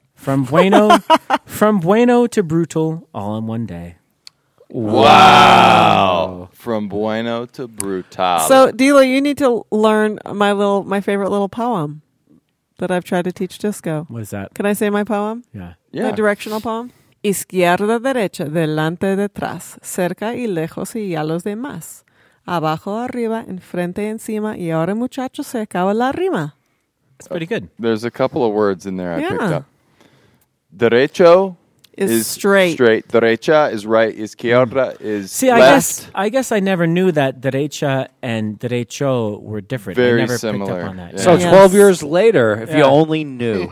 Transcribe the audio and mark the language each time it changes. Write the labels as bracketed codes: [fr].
[en] From Bueno to Brutal, all in one day. Wow. From Bueno to Brutal. So, Dilo, you need to learn my favorite little poem that I've tried to teach Disco. What is that? Can I say my poem? Yeah. My directional poem? [es] Izquierda, derecha, delante, detrás, cerca y lejos y a los demás. Abajo, arriba, enfrente, encima, y ahora, muchachos, se acaba la rima. [en] It's pretty good. There's a couple of words in there I picked up. Derecho is straight. Straight. Derecha is right. Izquierda is left. See, I guess I never knew that derecha and derecho were different. Very I never similar. Picked up on that. Yeah. So 12 years later, you only knew.